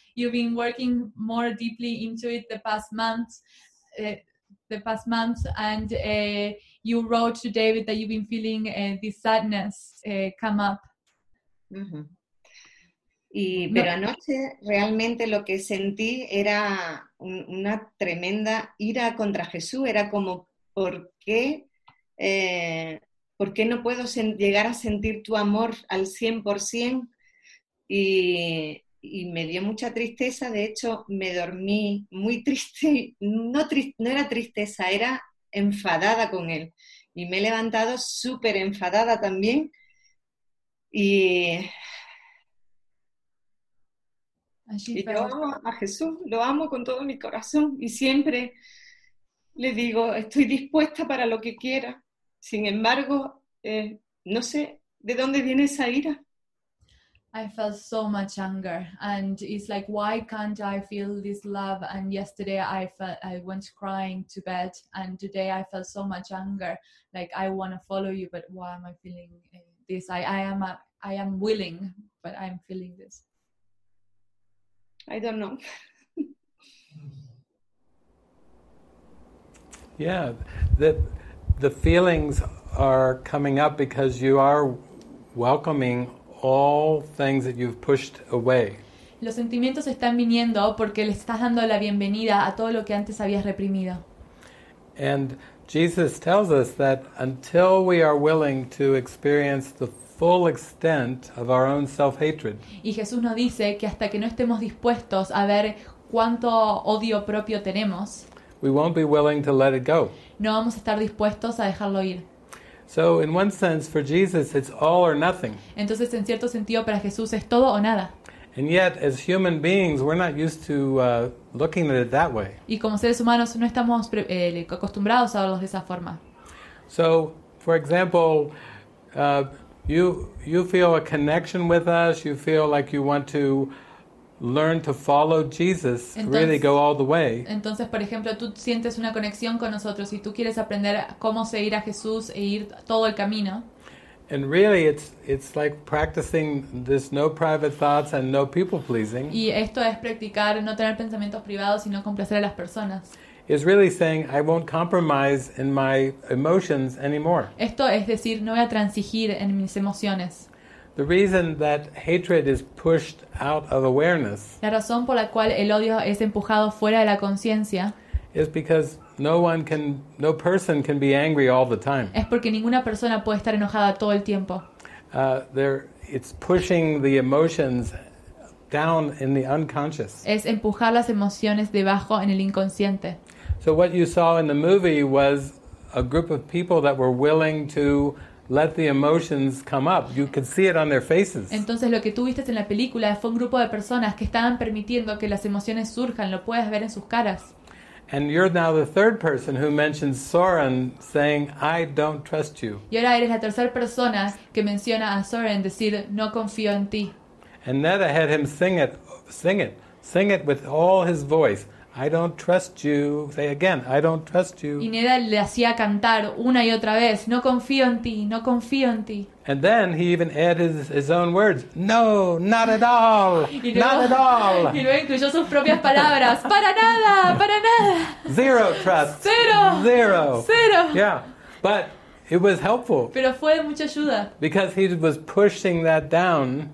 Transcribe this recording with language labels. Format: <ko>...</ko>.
<en>You've been working more deeply into it the past month, and you wrote to David that you've been feeling this sadness come up. Mm-hmm.</en> <es>Y, pero anoche realmente lo que sentí era una tremenda ira contra Jesús. Era como, ¿por qué no puedo llegar a sentir tu amor al 100%? Y me dio mucha tristeza. De hecho, me dormí muy triste. No, no era tristeza, era enfadada con él. Y me he levantado súper enfadada también. Y yo amo a Jesús, lo amo con todo mi corazón y siempre le digo, estoy dispuesta para lo que quiera. Sin embargo, no sé de dónde viene esa ira.</es> <en>I felt so much anger and it's like, why can't I feel this love? And yesterday I went crying to bed and today I felt so much anger. Like, I want to follow you, but why am I feeling this? I am willing, but I'm feeling this. I don't know. Yeah, the feelings are coming up because you are welcoming all things that you've pushed away.</en> <es>Los sentimientos están viniendo porque le estás dando la bienvenida a todo lo que antes habías reprimido.</es> <en>And Jesus tells us that until we are willing to experience the full extent of our own self-hatred.</en> <es>Y Jesús nos dice que hasta que no estemos dispuestos a ver cuánto odio propio tenemos,</es> <en>we won't be willing to let it go.</en> <es>No vamos a estar dispuestos a dejarlo ir.</es> <en>So in one sense for Jesus it's all or nothing.</en> <es>Entonces en cierto sentido para Jesús es todo o nada.</es> <en>And yet as human beings we're not used to looking at it that way.</en> <es>Y como seres humanos no estamos acostumbrados a verlos de esa forma.</es> <en>So for example You feel a connection with us, you feel like you want to learn to follow Jesus,</en> <es>entonces,</es> <en>really go all the way.</en> <es>Entonces, por ejemplo, tú sientes una conexión con nosotros y tú quieres aprender cómo seguir a Jesús e ir todo el camino.</es> <en>And really it's like practicing this no private thoughts and no people pleasing.</en> <es>Y esto es practicar no tener pensamientos privados y no complacer a las personas.</es> <en>Is really saying I won't compromise in my emotions anymore.</en> <es>Esto es decir, no voy a transigir en mis emociones.</es> <en>The reason that hatred is pushed out of awareness.</en> <es>La razón por la cual el odio es empujado fuera de la conciencia.</es> <en>Is because no person can be angry all the time.</en> <es>Es porque ninguna persona puede estar enojada todo el tiempo.</es> <en>It's pushing the emotions down in the unconscious.</en> <es>Es empujar las emociones debajo en el inconsciente.</es> <en>So what you saw in the movie was a group of people that were willing to let the emotions come up. You could see it on their faces.</en> <es>Entonces lo que tú viste en la película fue un grupo de personas que estaban permitiendo que las emociones surjan. Lo puedes ver en sus caras.</es> <en>And you're now the third person who mentions Soren saying, I don't trust you.</en> <es>Y ahora eres la tercera persona que menciona a Soren decir, no confío en ti.</es> <en>And Neda had him sing it with all his voice. I don't trust you. Say again, I don't trust you.</en> <es>Y Neda le hacía cantar una y otra vez, no confío en ti, no confío en ti.</es> <en>And then he even added his own words. No, not at all.</en> <es>Y luego incluyó sus propias palabras. Para nada, para nada.</es> <en>Zero trust.</en> <es>Cero.</es> <en>Zero.</en> <es>Cero.</es> <en>Yeah. But it was helpful.</en> <es>Pero fue de mucha ayuda.</es> <en>Because he was pushing that down.</en>